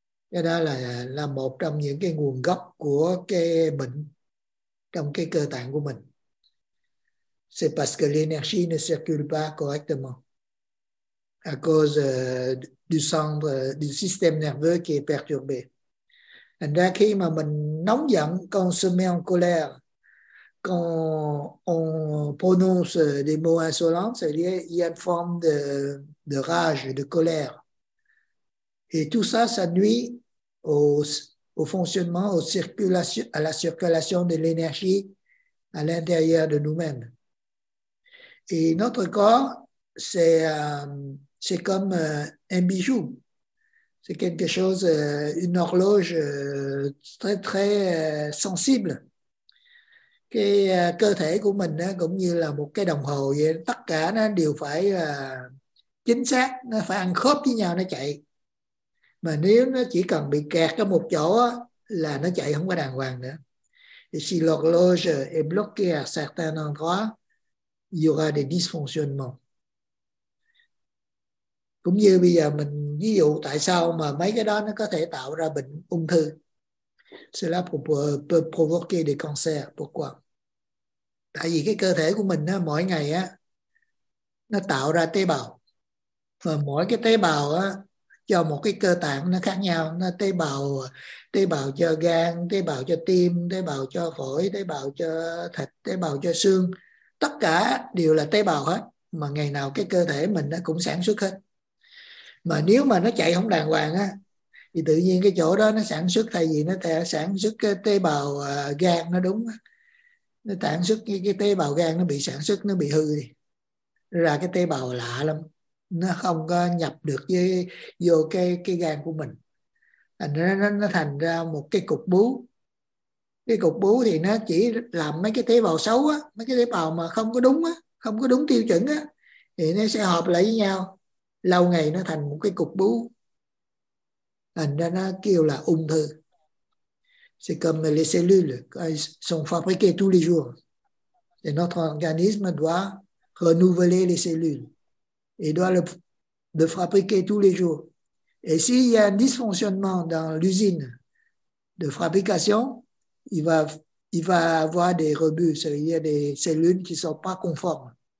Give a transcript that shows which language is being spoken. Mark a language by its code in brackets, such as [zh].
[vi] Cái đó là một trong những cái nguồn gốc của cái bệnh trong cái cơ tạng của mình. [fr] C'est parce que l'énergie ne circule pas correctement à cause du centre du système nerveux qui est perturbé. [vi] Thành ra khi mà mình nóng giận, [fr] quand on se met en colère, quand on prononce des mots insolents, il y a une forme de rage, de colère. Et tout ça, ça nuit au fonctionnement, aux circulations, à la circulation de l'énergie à l'intérieur de nous-mêmes. Et notre corps, c'est comme un bijou. C'est quelque chose, une horloge très, très sensible. [vi] Cái cơ thể của mình cũng như là một cái đồng hồ vậy. Tất cả nó đều phải chính xác, nó phải ăn khớp với nhau, nó chạy. Mà nếu nó chỉ cần bị kẹt ở một chỗ là nó chạy không có đàng hoàng nữa. [fr] Et si l'horloge est bloquée à certains endroits, il y aura des dysfonctionnements. [vi] Cũng như bây giờ mình ví dụ tại sao mà mấy cái đó nó có thể tạo ra bệnh ung thư. [fr] Cela peut provoquer des cancers. Pourquoi? [vi] Tại vì cái cơ thể của mình mỗi ngày nó tạo ra tế bào. Và mỗi cái tế bào á, cho một cái cơ tạng nó khác nhau, nó tế bào cho gan, tế bào cho tim, tế bào cho phổi, tế bào cho thịt, tế bào cho xương, tất cả đều là tế bào hết, mà ngày nào cái cơ thể mình nó cũng sản xuất hết. Mà nếu mà nó chạy không đàng hoàng á, thì tự nhiên cái chỗ đó nó sản xuất, thay vì nó sản xuất cái tế bào gan nó đúng, nó sản xuất cái tế bào gan nó bị sản xuất, nó bị hư đi. Ra cái tế bào lạ lắm, nó không có nhập được với vô cái gan của mình. Nó thành ra một cái cục bú. Cái cục bú thì nó chỉ làm mấy cái tế bào xấu á, mấy cái tế bào mà không có đúng á, không có đúng tiêu chuẩn á, thì nó sẽ hợp lại với nhau. Lâu ngày nó thành một cái cục bú. Thành ra nó kêu là ung thư. [fr] C'est comme les cellules qui sont fabriquées tous les jours. Et notre organisme doit renouveler les cellules. Il doit le fabriquer tous les jours. Et s'il y a un dysfonctionnement dans l'usine de fabrication, il va avoir des rebuts, c'est-à-dire des cellules qui ne sont pas conformes.